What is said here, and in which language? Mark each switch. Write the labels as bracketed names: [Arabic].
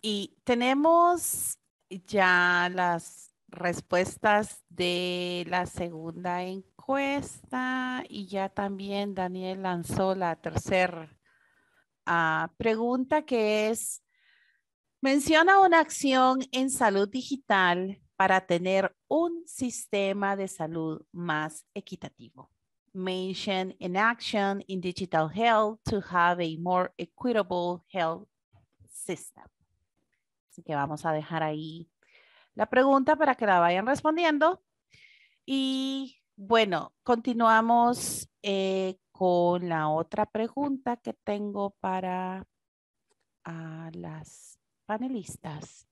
[Spanish] Y tenemos ya las respuestas de la segunda encuesta y ya también Daniel lanzó la tercera pregunta, que es, menciona una acción en salud digital para tener un sistema de salud más equitativo. [English] Mention an action in digital health to have a more equitable health system. [Spanish] Así que vamos a dejar ahí la pregunta para que la vayan respondiendo. Y bueno, continuamos con la otra pregunta que tengo para a las panelistas.